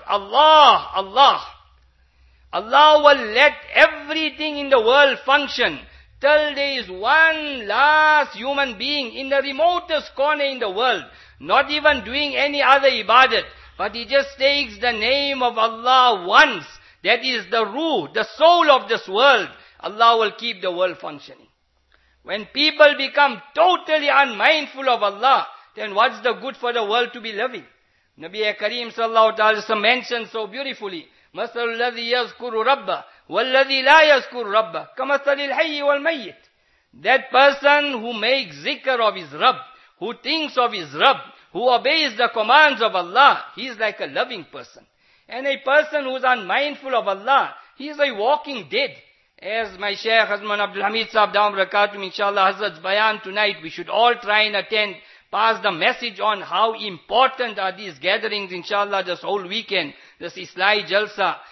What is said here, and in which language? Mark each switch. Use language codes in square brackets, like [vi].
[en] Allah, Allah. Allah will let everything in the world function till there is one last human being in the remotest corner in the world, not even doing any other ibadat, but he just takes the name of Allah once. That is the ruh, the soul of this world. Allah will keep the world functioning. When people become totally unmindful of Allah, then what's the good for the world to be living? Nabi Kareem sallallahu alaihi wasallam mentioned so beautifully, [ar] مَثَلُ الَّذِي يَذْكُرُ رَبَّهُ وَالَّذِي لَا يَذْكُرُ رَبَّهُ كَمَثَلِ الْحَيِّ وَالْمَيِّتِ. [en] That person who makes zikr of his Rabb, who thinks of his Rabb, who obeys the commands of Allah, he is like a living person. And a person who is unmindful of Allah, he is a walking dead. As my Shaykh Hazman Abdul Hamid Sahib Daum Rakatum, inshallah, Hazrat's Bayan tonight, we should all try and attend, pass the message on how important are these gatherings, inshallah, this whole weekend, this Islahi Jalsa.